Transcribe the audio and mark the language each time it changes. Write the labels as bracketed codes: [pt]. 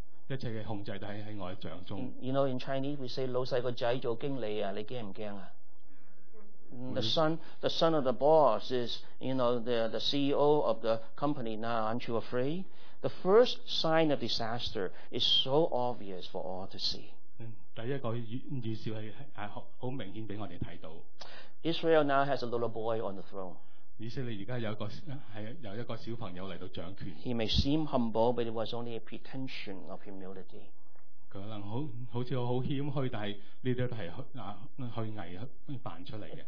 [zh] 他要给所有人看到知道一切的控制都在我的掌中。 [en] You know, in Chinese we say, [zh] 老细个仔做经理，你怕不怕？ [en] The son of the boss is, you know, the CEO of the company now, aren't you afraid? The first sign of disaster is so obvious for all to see. [zh] 第一个预兆是很明显给我们看到。 [en] Israel now has a little boy on the throne. [zh] 以色列现在有一个小朋友来掌权。 [en] He may seem humble, but it was only a pretension of humility. [zh] 可能好像很谦虚，但是这些都是虚伪扮出来的。